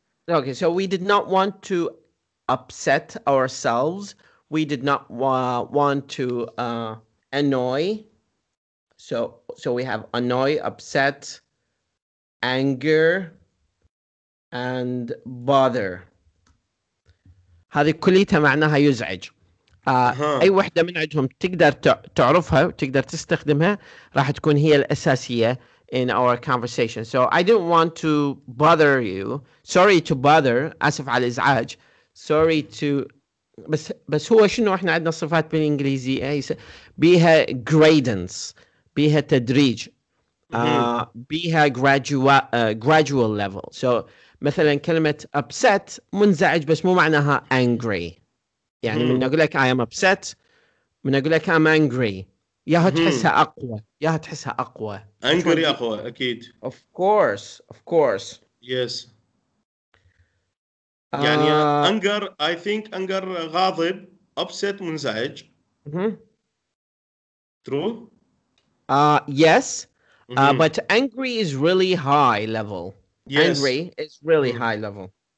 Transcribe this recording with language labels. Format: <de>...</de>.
<en>Okay, so we did not want to upset ourselves. We did not want to annoy. So we have annoy, upset, anger, and bother.</en> <ar>هذه كليتها معناها يزعج. أي واحدة من عندهم تقدر تعرفها وتقدر تستخدمها راح تكون هي الأساسية</ar> <en>in our conversation. So I didn't want to bother you. Sorry to bother.</en> <ar>آسف على الإزعاج.</ar> <en>Sorry to...</en> <ar>بس هو شنو إحنا عندنا صفات بالإنجليزية بيها gradance, بيها تدريج, بيها</ar> <en>gradual level.</en> <ar>So مثلا كلمة upset منزعج بس مو معناها angry. يعني من أقول لك</ar> <en>I am upset,</en> <ar>من أقول لك</ar> <en>I'm angry,</en> <ar>ياها تحسها أقوى, ياها تحسها أقوى. Angry أقوى أكيد.</ar> <en>Of course, of course. Yes. يعني anger, I think anger غاضب, upset منزعج. True. Yes. But angry is really high level. Yes. Angry is really high level.</en>